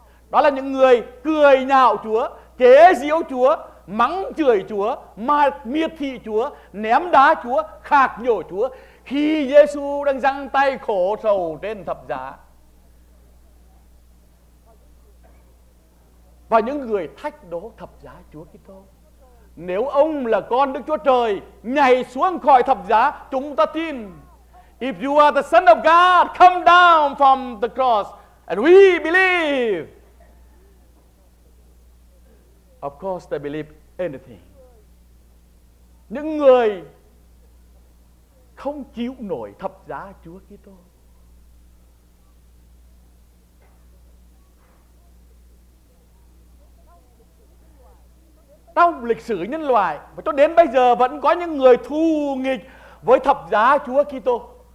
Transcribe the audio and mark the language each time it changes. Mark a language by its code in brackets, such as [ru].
[vi] Đó là những người cười nhạo Chúa, chế giễu Chúa, mắng chửi Chúa, mà miệt thị Chúa, ném đá Chúa, khạc nhổ Chúa khi Giê-xu đang giăng tay khổ sầu trên thập giá. Và những người thách đố thập giá Chúa Kitô: nếu ông là con Đức Chúa Trời, nhảy xuống khỏi thập giá, chúng ta tin. [en] If you are the Son of God, come down from the cross and we believe. Of course they believe anything. [vi] Những người không chịu nổi thập giá Chúa Kitô. Trong lịch sử nhân loại và cho đến bây giờ vẫn có những người thù nghịch với thập giá Chúa Kitô.